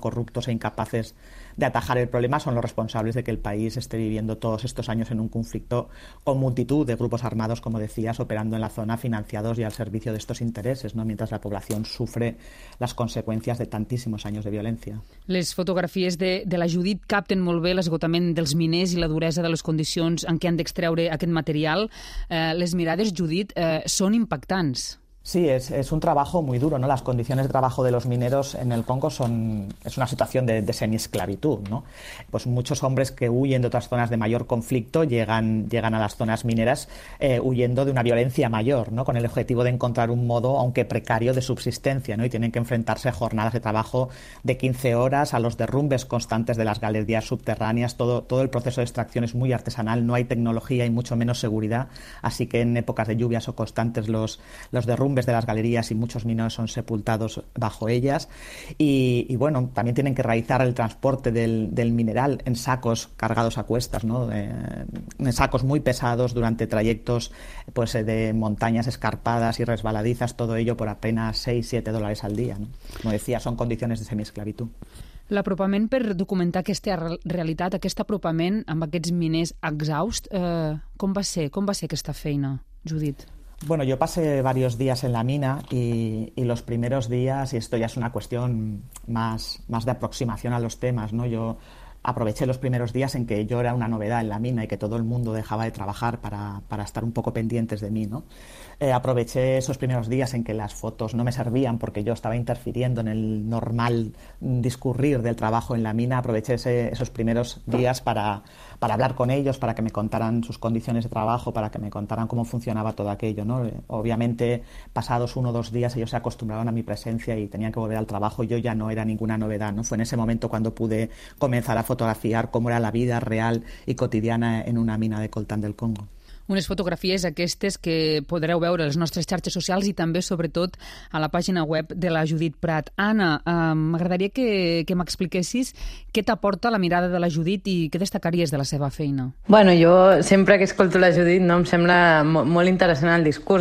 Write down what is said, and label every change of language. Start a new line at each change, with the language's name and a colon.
Spanish: Corruptos e incapaces de atajar el problema, son los responsables de que el país esté viviendo todos estos años en un conflicto con multitud de grupos armados, como decías, operando en la zona, financiados y al servicio de estos intereses, ¿no? Mientras la población sufre las consecuencias de tantísimos años de violencia.
Catalan: Les fotografies de la Judit capten molt bé l'esgotament dels miners i la duresa de les condicions en què han d'extreure aquest material. Les mirades, Judit, són impactants.
Spanish: Sí, es un trabajo muy duro, ¿no? Las condiciones de trabajo de los mineros en el Congo es una situación de semiesclavitud, ¿no? Pues muchos hombres que huyen de otras zonas de mayor conflicto llegan a las zonas mineras huyendo de una violencia mayor, ¿no? Con el objetivo de encontrar un modo, aunque precario, de subsistencia, ¿no? Y tienen que enfrentarse a jornadas de trabajo de 15 horas, a los derrumbes constantes de las galerías subterráneas, todo el proceso de extracción es muy artesanal, no hay tecnología y mucho menos seguridad, así que en épocas de lluvias o constantes los derrumbes de las galerías y muchos mineros son sepultados bajo ellas y bueno, también tienen que realizar el transporte del mineral en sacos cargados a cuestas, ¿no? En sacos muy pesados durante trayectos pues de montañas escarpadas y resbaladizas, todo ello por apenas $6-7 al día, ¿no? Como decía, son condiciones de semiesclavitud.
Catalan: L'apropament per documentar aquesta realitat, aquest apropament amb aquests miners exhausts, com va ser? Com va ser aquesta feina, Judit?
Spanish: Bueno, yo pasé varios días en la mina y los primeros días, y esto ya es una cuestión más de aproximación a los temas, ¿no? Yo aproveché los primeros días en que yo era una novedad en la mina y que todo el mundo dejaba de trabajar para estar un poco pendientes de mí, ¿no? Aproveché esos primeros días en que las fotos no me servían porque yo estaba interfiriendo en el normal discurrir del trabajo en la mina. Aproveché esos primeros días para hablar con ellos, para que me contaran sus condiciones de trabajo, para que me contaran cómo funcionaba todo aquello, ¿no? Obviamente, pasados uno o dos días, ellos se acostumbraron a mi presencia y tenían que volver al trabajo. Yo ya no era ninguna novedad, ¿no? Fue en ese momento cuando pude comenzar a fotografiar cómo era la vida real y cotidiana en una mina de coltan del Congo.
Catalan: Unes fotografies aquestes que podreu veure a les nostres xarxes socials i també, sobretot, a la pàgina web de la Judit Prat. Anna, m'agradaria que m'expliquessis què t'aporta la mirada de la Judit i què destacaries de la seva feina. Bueno, jo sempre que escolto la Judit, no, em sembla molt interessant el discurs.